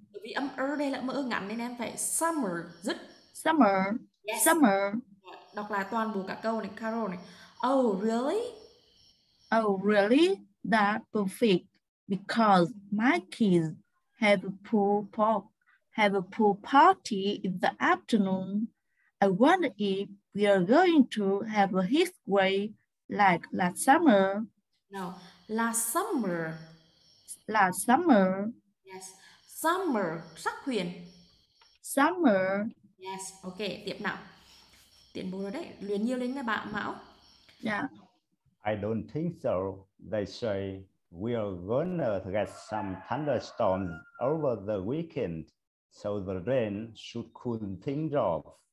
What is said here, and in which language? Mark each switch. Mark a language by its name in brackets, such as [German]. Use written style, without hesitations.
[Vietnamese] Bởi vì âm ơ đây là âm ơ ngắn nên em phải summer. Dứt. [English] Summer. Yes. Summer. [Vietnamese] Đọc lại toàn bộ cả câu này, Carol này. [English] Oh, really? Oh, really? That's perfect. Because my kids have a pool party in the afternoon. I wonder if we are going to have a heat wave like last summer. No, last summer. Last summer. Yes, summer. [Vietnamese] Sắc huyền. [English] Summer. Yes, okay, [Vietnamese] tiếp nào. Tiến bộ rồi đấy, luyến nhiều lên nha bạn Mão. [English] Yeah. I don't think so. They say we are gonna get some thunderstorms over the weekend, so the rain should cool things off.